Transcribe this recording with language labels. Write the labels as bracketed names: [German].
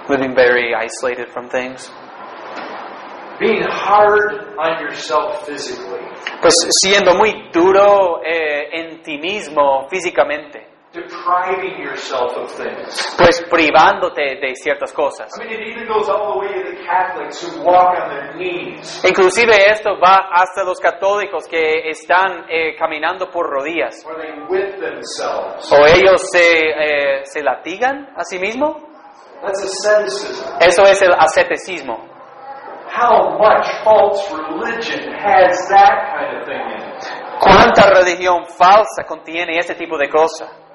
[English] Living very isolated from things. Being hard on yourself physically. [Spanish] Pues siendo muy duro en ti mismo físicamente. [English] Depriving yourself of things. [Spanish] Pues privándote de ciertas cosas. [English] I mean, it even goes all the way to the Catholics who walk on their knees. [Spanish] Inclusive esto va hasta los católicos que están caminando por rodillas. [English] Or they whip themselves. [Spanish] O ellos se latigan a sí mismo. [English] That's asceticism. [Spanish] Eso es el asceticismo. [English] How much false religion has that kind of thing in it? [Spanish] ¿Cuánta religión falsa contiene ese tipo de cosas?